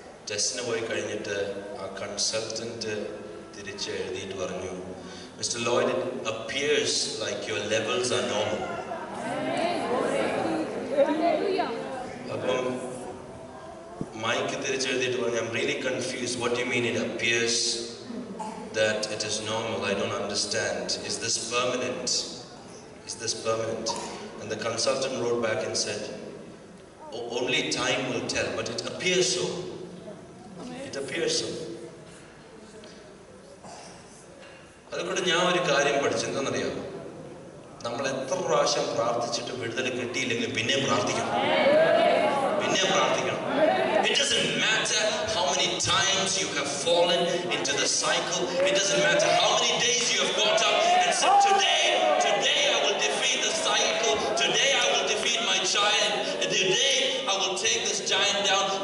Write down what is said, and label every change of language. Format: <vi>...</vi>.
<ml>ടെസ്റ്റിന് പോയി കഴിഞ്ഞിട്ട് ആ കൺസൾട്ടൻറ്റ് തിരിച്ച് എഴുതിയിട്ട് പറഞ്ഞു, mister Lloyd,</ml> <en>It appears like your levels are normal.</en> <ml>അപ്പം മൈക്ക് തിരിച്ച് എഴുതിയിട്ട് പറഞ്ഞു,</ml> <en>I'm really confused, what you mean it appears that it is normal, I don't understand. Is this permanent? Is this permanent? And the consultant wrote back and said, only time will tell, but it appears so. It appears so.</en> <ml>അതുകൊണ്ട് ഞാൻ ഒരു കാര്യം പഠിച്ചെന്താണെന്നറിയാം, നമ്മൾ എത്ര പ്രാവശ്യം പ്രാർത്ഥിച്ചിട്ട് വിടുതൽ കിട്ടിയില്ലെങ്കിൽ പിന്നെ പ്രാർത്ഥിക്കണം, പിന്നെ പ്രാർത്ഥിക്കണം.</ml> <en>It doesn't matter how many times you have fallen into the cycle. It doesn't matter how many days you have got up and said, today I will defeat the cycle. Today I will defeat my giant. And today I will take this giant down.</en>